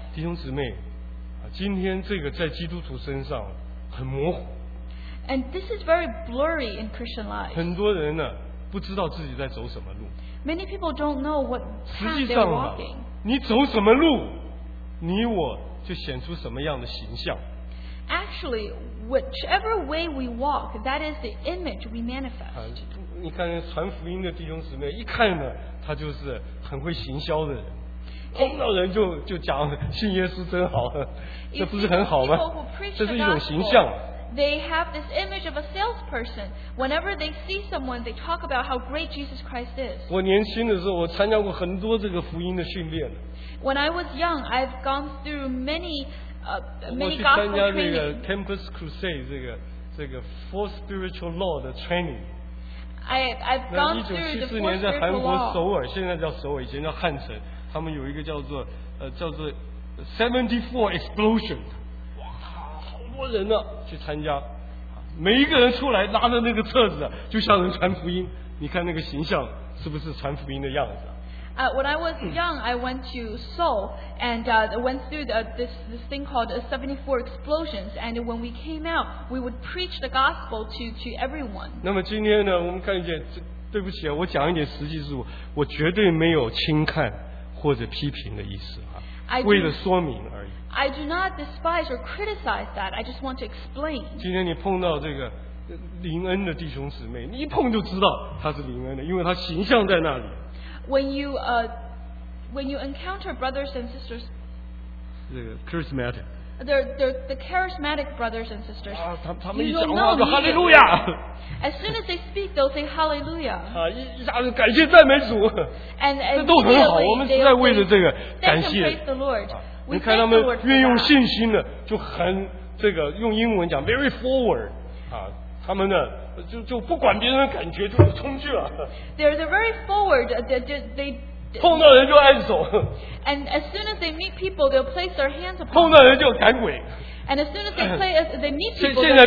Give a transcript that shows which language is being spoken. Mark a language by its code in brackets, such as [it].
[zh] 弟兄姊妹，今天这个在基督徒身上很模糊。 [en] And this is very blurry in Christian life. [zh] 很多人呢，不知道自己在走什么路。 [en] Many people don't know what path they're walking. [zh] 实际上啊，你走什么路，你我就显出什么样的形象。 [en] Actually, whichever way we walk, that is the image we manifest. [zh] 你看传福音的弟兄姊妹，一看呢，他就是很会行销的人，碰到人就讲信耶稣真好，这不是很好吗？这是一种形象。 [en] They have this image of a salesperson. Whenever they see someone, they talk about how great Jesus Christ is. [zh] 我年轻的时候，我参加过很多这个福音的训练。 [en] When I was young, I've gone through many. [zh] 我去参加这个 Campus Crusade 这个 Four Spiritual Law 的 training。 [en] I've gone through the Four Spiritual Law. [zh] 1974年在韩国首尔，现在叫首尔，以前叫汉城，他们有一个叫做 74 Explosion。哇，好多人呢去参加，每一个人出来拿着那个册子，就像人传福音。你看那个形象是不是传福音的样子？ [en] When I was young, I went to Seoul and went through this thing called 74 explosions. And when we came out, we would preach the gospel to everyone. [zh] 那么今天呢，我们看见，对不起啊，我讲一点实际事物，我绝对没有轻看或者批评的意思啊，为了说明而已。 [en] I do not despise or criticize that. I just want to explain. [zh] 今天你碰到这个灵恩的弟兄姊妹，你一碰就知道他是灵恩的，因为他形象在那里。 [en] When you encounter brothers and sisters, charismatic, the charismatic brothers and sisters, [zh] 他们一讲话就哈利路亚。 [en] As soon as they speak, they'll say hallelujah. [zh] 一下子感谢赞美主。这都很好，我们实在为了这个感谢。你看他们运用信心的，就很这个用英文讲 [en] very forward. [zh] 他们呢。就不管别人的感觉，就冲去了。 [en] They're very forward. They [zh] 碰到人就按手。 [en] And as soon as they meet people, they'll place their hands upon. [zh] 碰到人就赶鬼。 [en] And as soon as they play, they meet people.